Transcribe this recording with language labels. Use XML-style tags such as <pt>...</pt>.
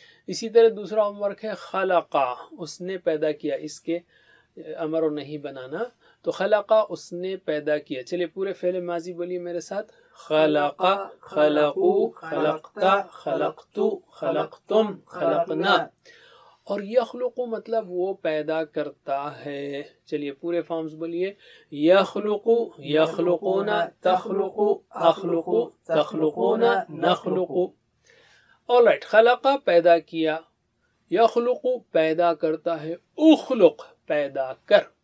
<ur>اسی طرح دوسرا ہوم ورک ہے خلقہ, اس نے پیدا کیا, اس کے امر و نہی بنانا. تو خلقہ اس نے پیدا کیا, چلیے پورے فعل ماضی بولیے میرے ساتھ.</ur> <ar>خلقہ, خلقو, خلقتا, خلقتو, خلقتم, خلقنا.</ar> <ur>اور</ur> <ar>یخلقو</ar> <ur>مطلب وہ پیدا کرتا ہے, چلیے پورے فارمز بولیے.</ur> <ar>یخلقو, یخلقونا, تخلقو, اخلقو, تخلقونا, نخلقو.</ar> <ur>آلرائٹ, خلقہ پیدا کیا,</ur> <ar>یخلقو</ar> <ur>پیدا کرتا ہے,</ur> <ar>اخلق</ar> <ur>پیدا کر.</ur>